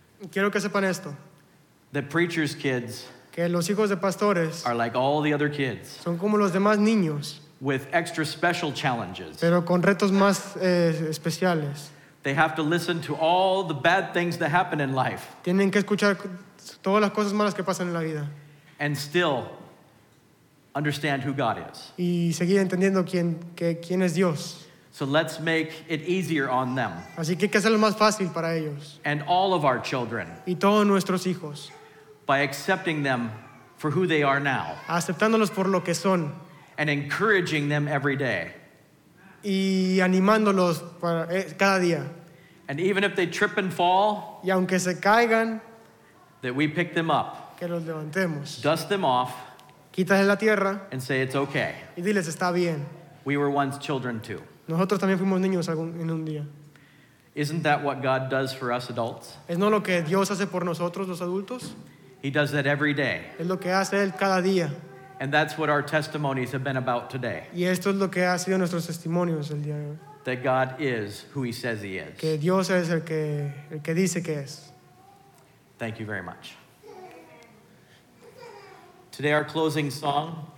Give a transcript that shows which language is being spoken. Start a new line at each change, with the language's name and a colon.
Spanish: Quiero que sepan esto.
English: The preacher's kids,
Spanish: que los hijos de pastores,
English: are like all the other kids.
Spanish: Son como los demás niños.
English: With extra special challenges.
Spanish: Pero con retos más especiales.
English: They have to listen to all the bad things that happen in life.
Spanish: Tienen que escuchar todas las cosas malas que pasan en la vida.
English: And still understand who God is.
Spanish: Y seguir entendiendo quién es Dios.
English: So let's make it easier on them.
Spanish: Así que hay que hacerlo más fácil para ellos.
English: And all of our children.
Spanish: Y todos nuestros hijos.
English: By accepting them for who they are now.
Spanish: Aceptándolos por lo que son.
English: And encouraging them every day.
Spanish: Y animándolos para cada día.
English: And even if they trip and fall.
Spanish: Y aunque se caigan.
English: That we pick them up.
Spanish: Que los levantemos.
English: Dust them off.
Spanish: Quítales la tierra.
English: And say it's okay.
Spanish: Y diles está bien.
English: We were once children too.
Spanish: Nosotros también fuimos niños en un día.
English: Isn't that what God does for us adults?
Spanish: ¿Es no lo que Dios hace por nosotros los adultos?
English: He does that every day.
Spanish: Es lo que hace él cada día.
English: And that's what our testimonies have been about today.
Spanish: Y esto es lo que ha sido nuestros testimonios el día de hoy.
English: That God is who he says he is.
Spanish: Que Dios es el que dice que es.
English: Thank you very much. Today our closing song